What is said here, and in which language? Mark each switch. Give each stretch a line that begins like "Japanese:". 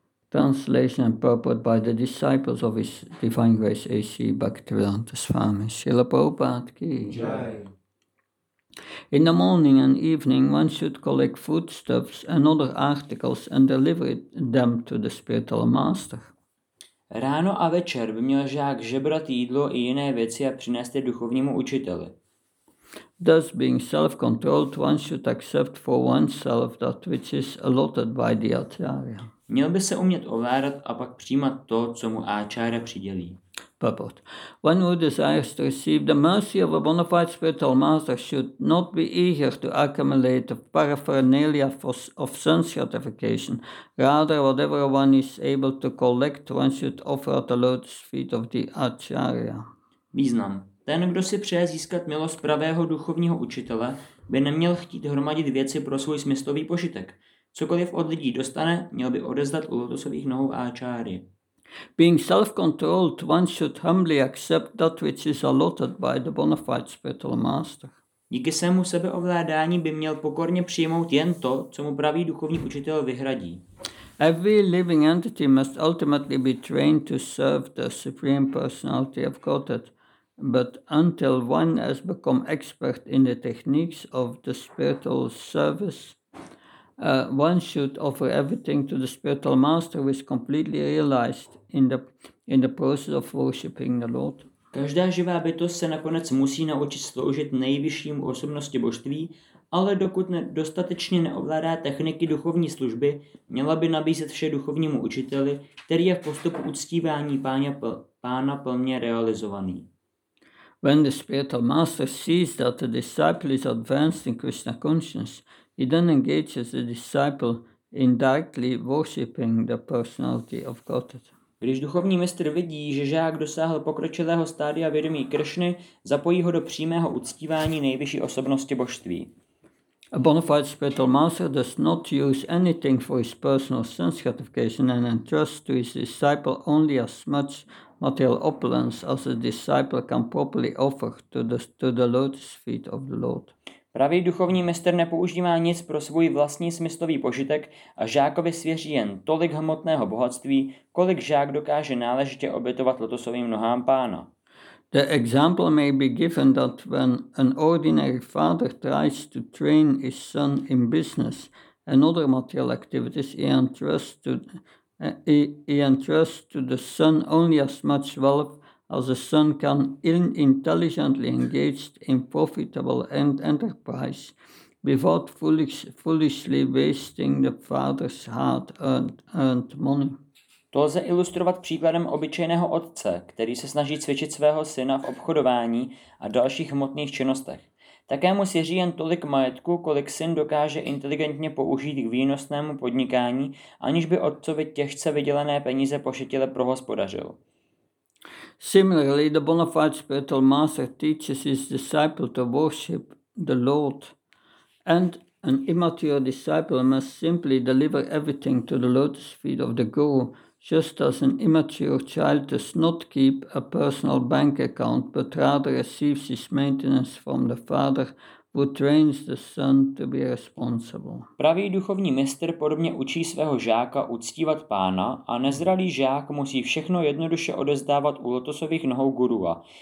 English: Translation and purport by the disciples of His Divine Grace A.C. Bhaktivedanta Swami Srila Prabhupada ki. In the morning and evening, one should collect foodstuffs and other articles and deliver them to the spiritual master.
Czech: Ráno a večer by měl žák žebrat jídlo i jiné věci a přinést je duchovnímu učiteli.
English: Thus, being self-controlled, one should accept for oneself that which is allotted by the acharya.
Czech: Měl by se umět ovládat a pak přijímat to, co mu áčára přidělí.
English: Purport. One who desires to receive the mercy of a bona fide spiritual master should not be eager to accumulate the paraphernalia of sense gratification. Rather, whatever one is able to collect, one should offer at the lotus feet of the acharya.
Czech: Význam. Ten, kdo si přeje získat milost pravého duchovního učitele, by neměl chtít hromadit věci pro svůj smyslový požitek. Cokoliv od lidí dostane, měl by odezdat u lotosových nohou áčáry.
English: Being self-controlled, one should humbly accept that which is allotted by the bona fide spiritual master.
Czech: Díky svému sebeovládání by měl pokorně přijmout jen to, co mu pravý duchovní učitel vyhradí.
English: Every living entity must ultimately be trained to serve the supreme personality of Godhead. But until one has become expert in the techniques of the spiritual service, one should offer everything to the spiritual master who is completely realized in the process of worshipping the Lord.
Czech: Každá živá bytost se nakonec musí naučit sloužit nejvyšším osobnosti božství, ale dokud dostatečně neovládá techniky duchovní služby, měla by nabízet vše duchovnímu učiteli, který je v postupu uctívání pána plně realizovaný.
English: When the spiritual master sees that the disciple is advanced in Krishna consciousness, he then engages the disciple in directly worshipping the personality of Godhead.
Czech: Když duchovní mistr vidí, že žák dosáhl pokročilého stádia vědomí Kršny, zapojí ho do přímého uctívání nejvyšší osobnosti božství.
English: A bona fide spiritual master does not use anything for his personal sense gratification and entrusts to his disciple only as much material opulence as a disciple can properly offer to the lotus feet of the Lord.
Czech: Pravý duchovní mistr nepoužívá nic pro svůj vlastní smyslový požitek a žákovi svěří jen tolik hmotného bohatství, kolik žák dokáže náležitě obětovat lotosovým nohám pána.
English: The example may be given that when an ordinary father tries to train his son in business and other material activities, he entrusts to the son only as much wealth as the son can intelligently engage in profitable enterprise without foolishly wasting the father's hard-earned money.
Czech: To lze ilustrovat příkladem obyčejného otce, který se snaží cvičit svého syna v obchodování a dalších hmotných činnostech. Také mu svěří jen tolik majetku, kolik syn dokáže inteligentně použít k výnosnému podnikání, aniž by otcovi těžce vydělané peníze pošetile prohospodařil.
English: Similarly, the bona fide spiritual master teaches his disciple to worship the Lord, and an immature disciple must simply deliver everything to the lotus feet of the Guru, just as an immature child does not keep a personal bank account, but rather receives his maintenance from the father who trains the son to be responsible.
Czech: Pravý duchovní mistr podobně učí svého žáka uctívat pána a nezralý žák musí všechno jednoduše odezdávat u lotosových nohou gurua.